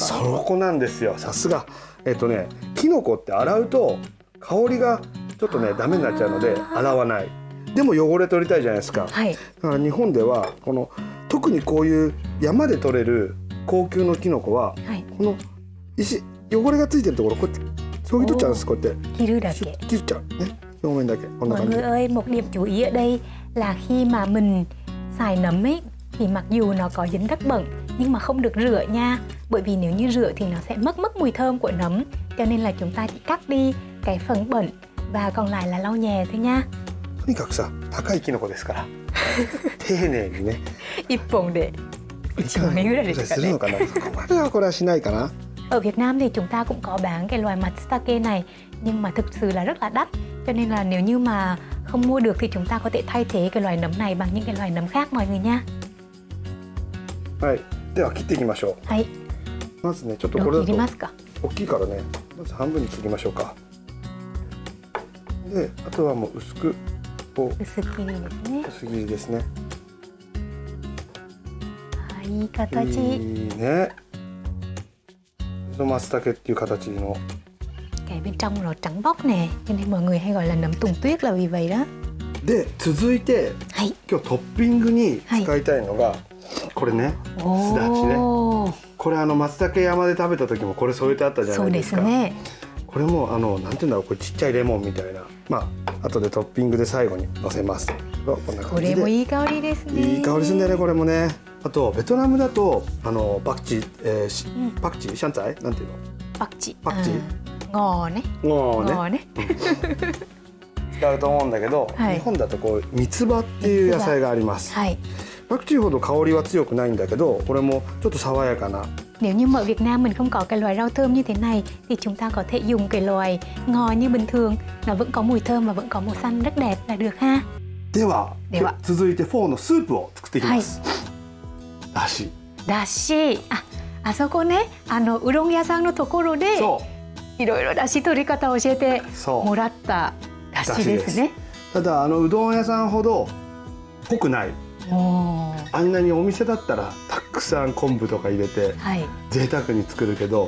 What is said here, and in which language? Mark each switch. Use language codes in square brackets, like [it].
[ja] そこなんですよ、さすが。キノコって洗うと香りがちょっとねダメになっちゃうので洗わない。でも汚れ取りたいじゃないですか。はい、日本ではこの特にこういう山で取れる高級のキノコは、はい、この石汚れがついてるところこうやって削ぎ取っちゃうんです。こうやって切るだけ切っちゃうね、表面だけ。こんな感じ。 [vi] mọi người ơi, một điểm chú ý ở đây là khi mà mình xài nấm ấy thì mặc dù nó có dính đất bẩn nhưng mà không được rửa nha, bởi vì nếu như rửa thì nó sẽ mất mùi thơm của nấm, cho nên là chúng ta chỉ cắt đi cái phần bẩn và còn lại là lau nhà thôi nha. [ja] とにかくさ、高いキノコですから丁寧にね一本で1万円ぐらいですかね。これはこれはしないかな。 [vi] ở Việt Nam thì chúng ta cũng có bán cái loại matsutake này nhưng mà thực sự là rất là đắt, cho nên là nếu như mà không mua được thì chúng ta có thể thay thế cái loại nấm này bằng những cái loại nấm khác mọi người nha. [ja] はい、では切っていきましょう。はい、まずねちょっとこれだと切りますか。大きいからね、まず半分に切りましょうか。で、あとはもう薄く、こう薄切りですね。薄切りですね。はい、いい形。いいね。松茸っていう形の。 [vi] cái bên trong nó trắng bóc nè, cho nên mọi người hay gọi là nấm tùng tuyết là vì vậy đó. [ja] で、続いて、はい、今日トッピングに使いたいのが、はい、これね、すだちね。これあの松茸山で食べた時もこれ添えてあったじゃないですか。そうですね。これもあのなんていうんだろう、これちっちゃいレモンみたいな、まあ後でトッピングで最後にのせます。こんな感じで。これもいい香りですね。いい香りするんだよねこれもね。あとベトナムだとあのパクチー、パクチーシャンツァイなんていうの？パクチー。パクチー。 ゴーね。ゴーね。ゴーね。使うと思うんだけど、はい、日本だとこう三つ葉っていう野菜があります。はい。パクチーほど香りは強くないんだけど、これもちょっと爽やかな。 [vi] Nếu như mà ở Việt Nam mình không có cái loại rau thơm như thế này thì chúng ta có thể dùng cái loại ngò như bình thường, nó vẫn có mùi thơm và vẫn có màu xanh rất đẹp là được ha. [ja] では、では続いてフォーのスープを作っていきます。だし。だし。あ、あそこね、あのうどん屋さんのところで、そう。いろいろだし取り方を教えてもらっただしですね。ただあのうどん屋さんほど濃くない。あんなにお店だったらたくさん昆布とか入れて贅沢に作るけど、